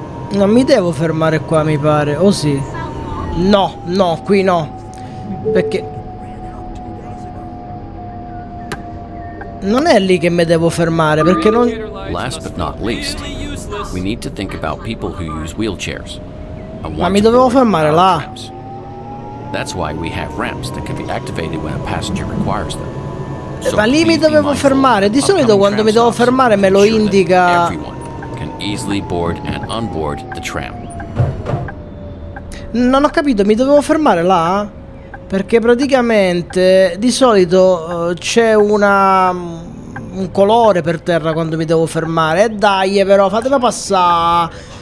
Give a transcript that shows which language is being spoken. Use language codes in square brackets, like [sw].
[it] Non mi devo fermare qua, mi pare, o sì? No, no, qui no. Perché... Non è lì che mi devo fermare, perché non... [en] Last but not least, we need to think about people who use wheelchairs. [it] Ma mi dovevo fermare là. [en] That's why we have ramps that can be activated when a passenger requires them. [it] Ma lì mi dovevo fermare. Di solito quando mi devo fermare me lo indica... [en] Easily board and onboard the tram. [it] Non ho capito, mi dovevo fermare là? Perché praticamente di solito c'è una un colore per terra quando mi devo fermare. Dai, però fatela passare.